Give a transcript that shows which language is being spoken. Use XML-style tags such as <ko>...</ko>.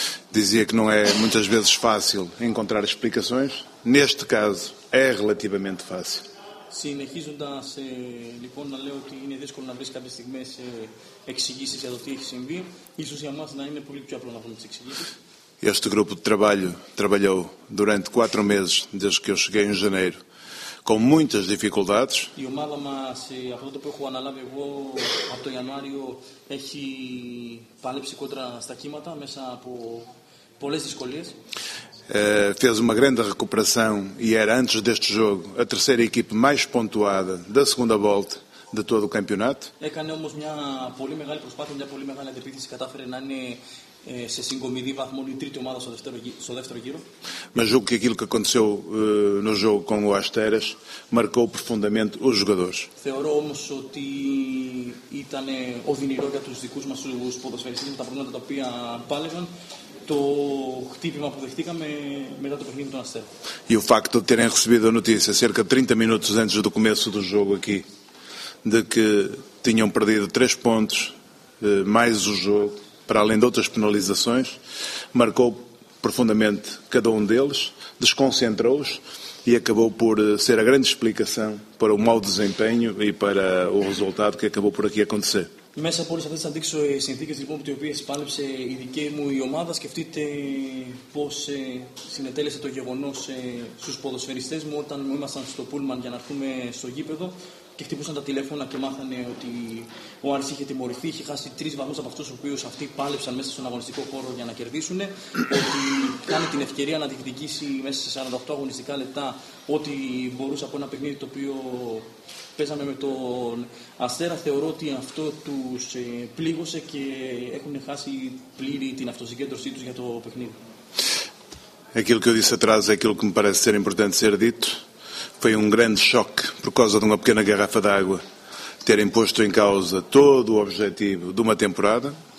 <pt>Dizia que não é muitas vezes fácil encontrar explicações. Neste caso, é relativamente fácil.</pt> <el>Συνεχίζοντας, λοιπόν, να λέω ότι είναι δύσκολο να βρεις κάποιες στιγμές εξηγήσεις για το τι έχει συμβεί. Ίσως για μας να είναι πολύ πιο απλό να βρούμε τις εξηγήσεις.</el> <pt>Este grupo de trabalho trabalhou durante 4 meses, desde que eu cheguei em janeiro, com muitas dificuldades.</pt> <el>Η ομάδα μας, από το που έχω αναλάβει εγώ από το Ιανουάριο, έχει παλέψει κόντρα στα κύματα μέσα από πολλές δυσκολίες.</el> <pt>Fez uma grande recuperação e era antes deste jogo a terceira equipe mais pontuada da segunda volta de todo o campeonato.</pt> <el>Έκανε όμως μια πολύ μεγάλη προσπάθεια, μια πολύ μεγάλη αντεπίθεση, κατάφερε να είναι σε συγκομιδή βαθμό η τρίτη ομάδα στο δεύτερο γύρο.</el> <pt>Mas julgo que aquilo que aconteceu no jogo com o Asteras marcou profundamente os jogadores.</pt> <el>Θεωρώ όμως ότι ήταν οδυνηρό για τους δικούς μας τους ποδοσφαιριστές με τα προβλήματα τα οποία πάλευαν. Το χτύπημα που δεχτήκαμε μετά το παιχνίδι του Αστέρα.</el> <pt>E o facto de terem recebido a notícia cerca de 30 minutos antes do começo do jogo aqui de que tinham perdido 3 pontos mais o jogo para além de outras penalizações marcou profundamente cada um deles, desconcentrou-os e acabou por ser a grande explicação para o mau desempenho e para o resultado que acabou por aqui acontecer.</pt> <el>Μέσα από όλες αυτές τις αντίξωες συνθήκες, λοιπόν, που τις οποίες πάλεψε η δική μου η ομάδα, σκεφτείτε πώς συνετέλεσε το γεγονός στους ποδοσφαιριστές μου όταν μου ήμασταν στο Πούλμαν για να έρθουμε στο γήπεδο. και χτύπησαν τα τηλέφωνα και μάθανε ότι ο Άρης είχε τιμωρηθεί, είχε χάσει τρεις βαθμούς από αυτούς τους οποίους αυτοί πάλεψαν μέσα στον αγωνιστικό χώρο για να κερδίσουν, ότι κάνει την ευκαιρία να διεκδικήσει μέσα σε 48 αγωνιστικά λεπτά ό,τι μπορούσε από ένα παιχνίδι το οποίο παίζαμε με τον Αστέρα. Θεωρώ ότι αυτό τους πλήγωσε και έχουν χάσει πλήρη την αυτοσυγκέντρωσή τους για το παιχνίδι.</el> <pt>Aquilo que eu disse atrás é aquilo que me parece ser importante ser dito. Foi um grande choque, por causa de uma pequena garrafa de água, terem posto em causa todo o objetivo de uma temporada.</pt>